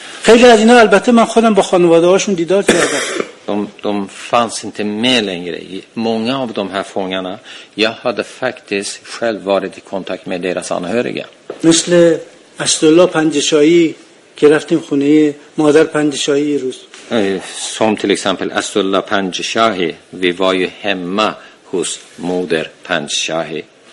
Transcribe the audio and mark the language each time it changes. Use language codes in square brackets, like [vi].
[fa] خیلی از اینا البته من خودم با خانواده‌هاشون دیدار کردم. [sv] De fanns inte med längre. Många av de här fångarna, jag hade faktiskt själv varit i kontakt med deras anhöriga. [fa] مثل استولا پنجشایی که رفتیم خونه مادر پنجشایی روز. [sv] Som till exempel استولا پنجشایی, vi var ju hemma hos moder پنجشایی.